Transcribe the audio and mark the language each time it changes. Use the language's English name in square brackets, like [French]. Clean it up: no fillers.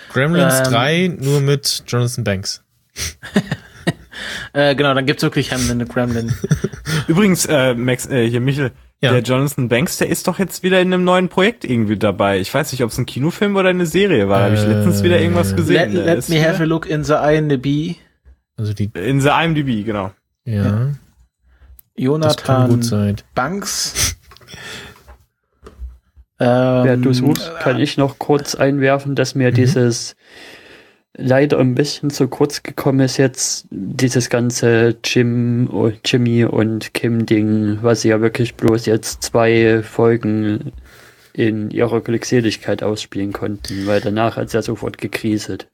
[German] Gremlins 3 nur mit Jonathan Banks. Genau, dann gibt's wirklich Hemden in der Gremlin. Übrigens, Max, hier Michel, ja. Der Jonathan Banks, der ist doch jetzt wieder in einem neuen Projekt irgendwie dabei. Ich weiß nicht, ob es ein Kinofilm oder eine Serie war. Habe ich letztens wieder irgendwas gesehen. [English] Let me have a look in the IMDb. [German] Also die. [English] In the IMDb, [German] genau. Ja. Jonathan das kann gut sein. Banks. Während du suchst, kann ich noch kurz einwerfen, dass mir dieses leider ein bisschen zu kurz gekommen ist jetzt, dieses ganze Jimmy und Kim-Ding, was sie ja wirklich bloß jetzt zwei Folgen in ihrer Glückseligkeit ausspielen konnten, weil danach hat es ja sofort gekriselt.